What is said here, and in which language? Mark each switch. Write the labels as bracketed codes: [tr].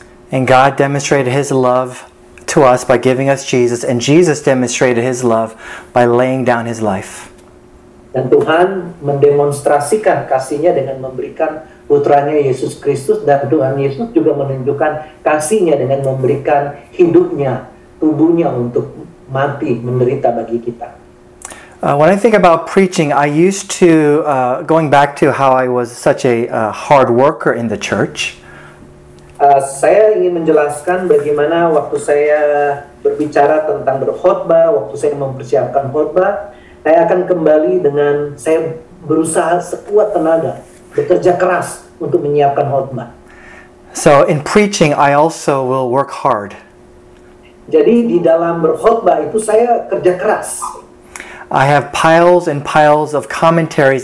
[en] And God demonstrated his love to us by giving us Jesus, and Jesus demonstrated his love by laying down his life. [id] Dan Tuhan mendemonstrasikan kasihnya dengan memberikan putranya Yesus Kristus, dan Tuhan Yesus juga menunjukkan kasihnya dengan memberikan hidupnya, tubuhnya untuk mati, menderita bagi kita. [en] When I think about preaching, I used to, going back to how I was such a hard worker in the church. [id] Saya ingin menjelaskan bagaimana waktu saya berbicara tentang berkhotbah, waktu saya mempersiapkan khotbah, saya akan kembali dengan saya berusaha sekuat tenaga, bekerja keras untuk menyiapkan khotbah. [en] So in preaching, I also will work hard. [id] Jadi di dalam berkhotbah itu saya kerja keras. [en] I have piles and piles of commentaries.